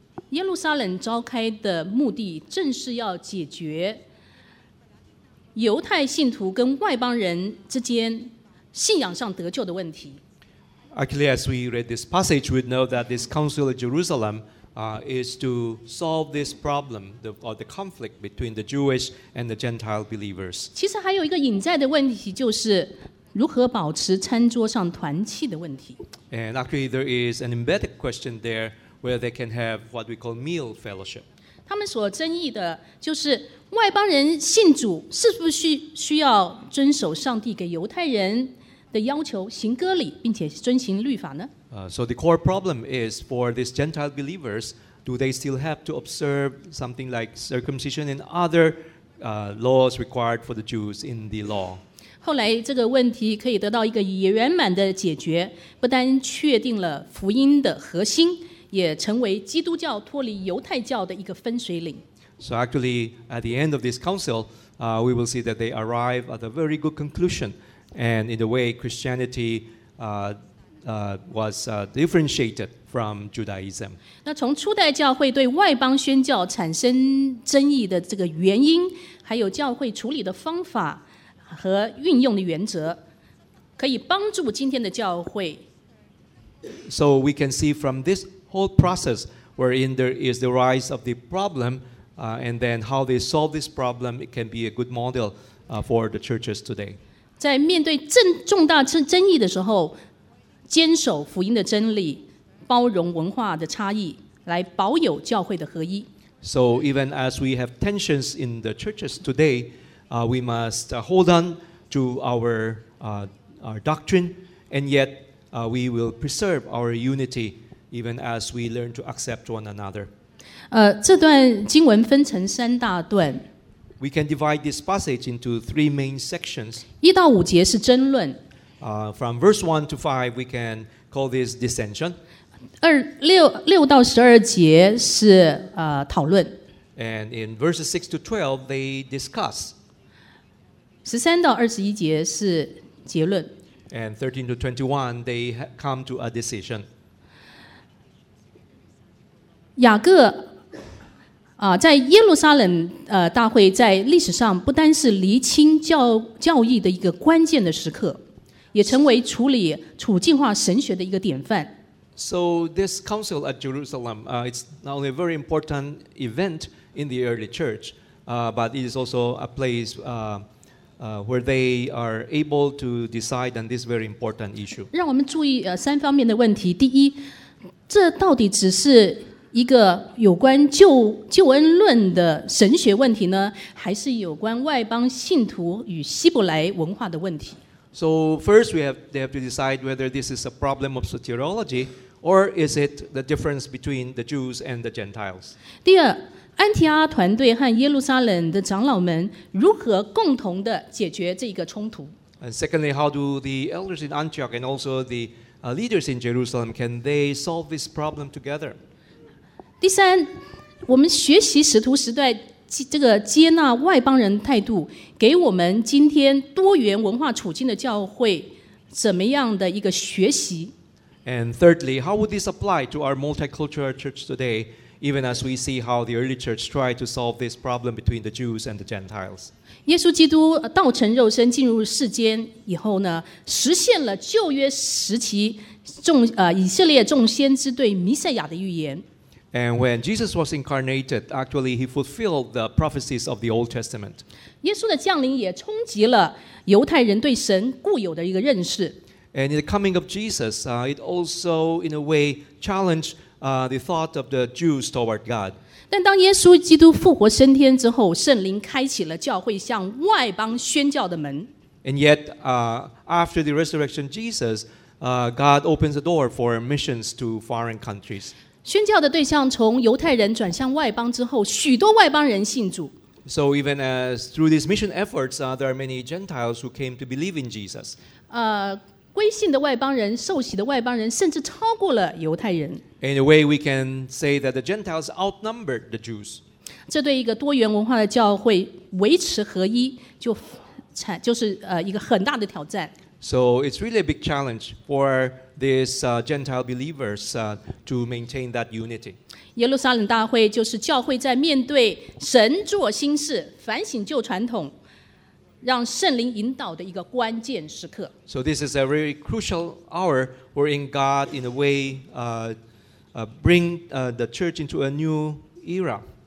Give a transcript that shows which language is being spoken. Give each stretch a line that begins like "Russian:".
Chinese: 耶路撒冷召开的目的正是要解决犹太信徒跟外邦人之间信仰上得救的问题。
English: Actually, as we read this passage, we know that this council in Jerusalem, is to solve this problem, the conflict between the Jewish and the Gentile believers.
Chinese: 其实还有一个隐在的问题，就是如何保持餐桌上团契的问题。
English: And actually, there is an embedded question there where they can have what we call meal fellowship.
Chinese: 他们所争议的就是外邦人信主是不是需要遵守上帝给犹太人的要求，行割礼，并且遵行律法呢？
English: So the core problem is for these Gentile believers, do they still have to observe something like circumcision and other laws required for the Jews in the law?
Chinese: 后来这个问题可以得到一个圆满的解决，不单确定了福音的核心，也成为基督教脱离犹太教的一个分水岭。
English: So actually, at the end of this council, we will see that they arrive at a very good conclusion. And in a way, Christianity differentiated from Judaism.
Chinese: 那从初代教会对外邦宣教产生争议的这个原因，还有教会处理的方法和运用的原则，可以帮助今天的教会。
English: So we can see from this whole process wherein there is the rise of the problem, and then how they solve this problem, it can be a good model for the churches today.
Chinese: 在面对重大争议的时候，坚守福音的真理，包容文化的差异，来保有教会的合一。
English: So even as we have tensions in the churches today, we must hold on to our doctrine, and yet we will preserve our unity even as we learn to accept one another.
Chinese: 这段经文分成三大段。
English: We can divide this passage into three main sections.
Chinese: 一到五节是争论。
English: From verse 1 to 5, we can call this dissension.
Chinese: 六到十二节是讨论。
English: And in verses 6 to 12, they discuss.
Chinese: 十三到二十一节是结论。
English: And 13 to 21, they come to a decision.
Chinese: 雅各在耶路撒冷大会在历史上不单是厘清教义的一个关键的时刻，也成为处理处境化神学的一个典范。
English: So this council at Jerusalem, it's not only a very important event in the early church, but it is also a place where they are able to decide on this very important issue.
Chinese: 让我们注意三方面的问题。第一，这到底只是一个有关救恩论的神学问题呢，还是有关外邦信徒与希伯来文化的问题？
English: So first they have to decide whether this is a problem of soteriology or is it the difference between the Jews and the Gentiles.
Chinese: 第二，安提阿团队和耶路撒冷的长老们如何共同的解决这一个冲突？
English: And secondly, how do the elders in Antioch and also the leaders in Jerusalem, can they solve this problem together?
Chinese: 第三，我们学习使徒时代这个接纳外邦人的态度，给我们今天多元文化处境的教会怎么样的一个学习。
English: And thirdly, how would this apply to our multicultural church today, even as we see how the early church tried to solve this problem between the Jews and the Gentiles?
Chinese: 耶稣基督道成肉身进入世间以后呢，实现了旧约时期以色列众先知对弥赛亚的预言。
English: And when Jesus was incarnated, actually he fulfilled the prophecies of the Old Testament.
Chinese: 耶稣的降临也冲击了犹太人对神固有的一个认识。
English: And in the coming of Jesus, it also, in a way, challenged the thought of the Jews toward God.
Chinese: 但当耶稣基督复活升天之后，圣灵开启了教会向外邦宣教的门。
English: And yet, after the resurrection of Jesus, God opens the door for missions to foreign countries.
Chinese: 宣教的对象从犹太人转向外邦之后，许多外邦人信主。
English: So even as through these mission efforts, there are many Gentiles who came to believe in Jesus.
Chinese: 归信的外邦人、受洗的外邦人，甚至超过了犹太人。
English: In a way, we can say that the Gentiles outnumbered the Jews.
Chinese: 这对一个多元文化的教会维持合一，就是一个很大的挑战。
English: So it's really a big challenge for these Gentile believers to maintain that unity.
Chinese: 耶路撒冷大会就是教会在面对神做新事、反省旧传统。让圣灵引导的一个关键时刻。
English: So this is a very crucial hour wherein God, in a way, bring the church into a new era.